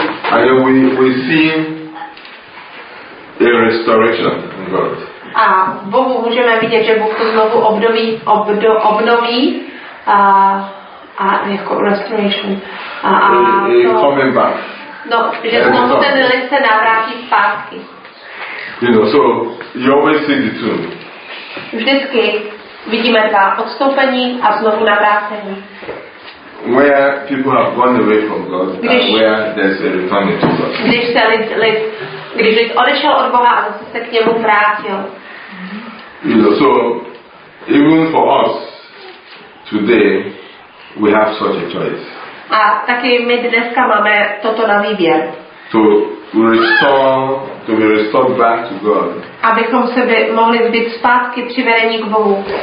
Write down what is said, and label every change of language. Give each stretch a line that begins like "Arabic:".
English: And we see a restoration in God.
Czech: A Bohu můžeme vidět, že Bůh to znovu obnoví a jako restoration.
English: Coming back.
Czech: No, že znovu ten list se navrátí zpátky.
English: You know, so you always see the two.
Czech: Vždycky vidíme dva, odstoupení a znovu navrácení.
English: Where people have gone away from God, and where there's a returning to God.
Czech: Když se lid odešel od Boha a zase se k němu vrátil.
English: You know, so even for us today, we have such a choice.
Czech: A taky my dneska máme toto na výběr.
English: To be restored back to God.
Czech: Abychom se mohli být zpátky přivedení k Bohu.